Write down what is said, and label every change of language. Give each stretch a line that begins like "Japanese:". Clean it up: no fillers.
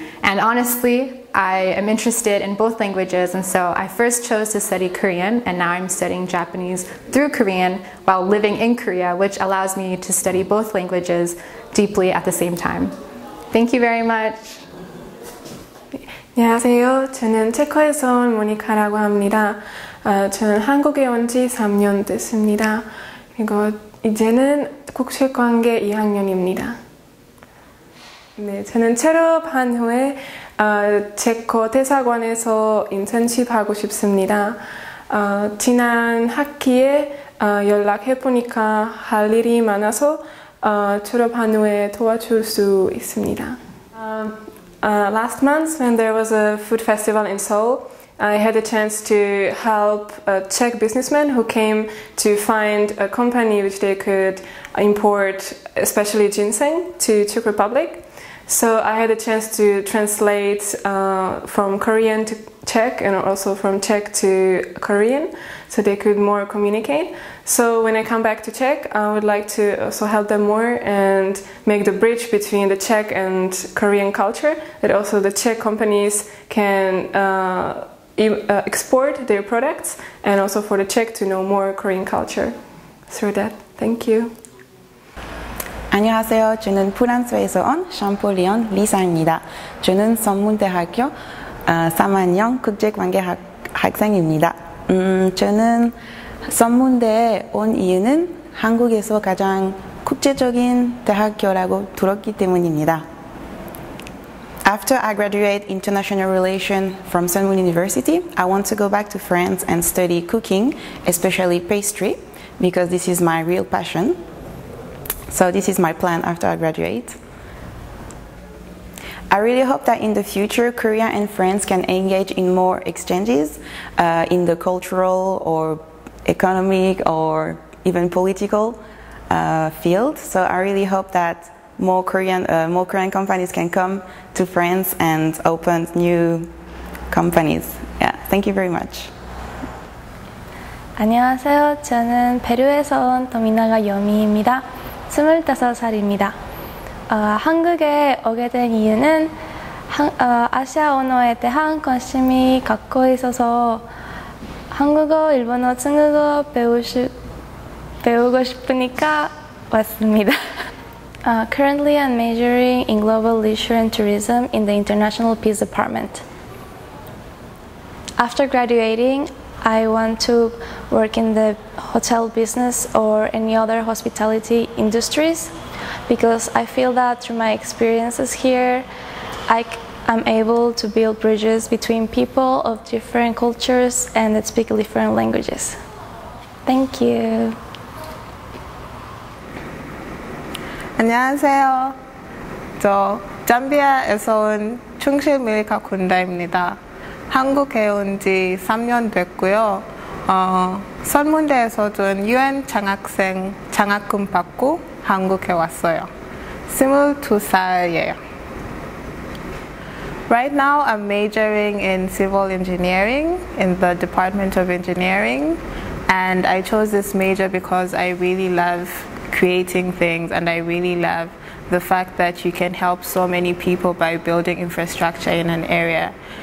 English: And honestly, I am interested in both languages, and so I first chose to study Korean, and now I'm studying Japanese through Korean while living in Korea, which allows me to study both languages deeply at the same time. Thank you very much.
Korean: 안녕하세요. 저는 체코에서 온 모니카라고 합니다. 저는 한국에 온지 3년 됐습니다. 그리고 이제는 국제관계 2학년입니다. 네, 저는 졸업한 후에 체코 대사관에서 인턴십하고 싶습니다. 지난 학기에 연락해보니까 할 일이 많아서 졸업한 후에 도와줄 수 있습니다.
English: Last month, when there was a food festival in Seoul, I had a chance to help a Czech businessman who came to find a company which they could import, especially ginseng, to Czech Republic. So I had a chance to translate from Korean to Czech and also from Czech to Korean so they could more communicate. So when I come back to Czech, I would like to also help them more and make the bridge between the Czech and Korean culture, that also the Czech companies can export their products, and also for the Czech to know more Korean culture through that. Thank you.
Korean: 안녕하세요. 저는 프랑스에서 온 샴폴리온 리사입니다. 저는 성문대학교 3학년 국제관계학생입니다. 저는 성문대에 온 이유는 한국에서 가장 국제적인 대학교라고 들었기 때문입니다.
English: After I graduate international relations from Sorbonne University, I want to go back to France and study cooking, especially pastry, because this is my real passion. So this is my plan after I graduate. I really hope that in the future, Korea and France can engage in more exchanges in the cultural or economic or even political field. So I really hope that more Korean companies can come to France and open new companies. Yeah, thank you very much.
Korean: 안녕하세요. 저는 페루에서 온 도미나가 요미입니다. 25살입니다. 한국에 오게 된 이유는 아시아 언어에 대한 관심이 갖고 있어서 한국어, 일본어, 중국어 배우고 싶으니까 왔습니다.
English: Currently, I'm majoring in global leisure and tourism in the International Peace Department. After graduating, I want to work in the hotel business or any other hospitality industries because I feel that through my experiences here, I'm able to build bridges between people of different cultures and that speak different languages. Thank you.
Korean: 안녕하세요. 저 잠비아에서 온 충실미카군다입니다. 한국에 온 지 3년 됐고요. 선문대에서 준 UN 장학생 장학금 받고 한국에 왔어요. 22살이에요.
English: Right now I'm majoring in civil engineering in the Department of Engineering, and I chose this major because I really love creating things, and I really love the fact that you can help so many people by building infrastructure in an area.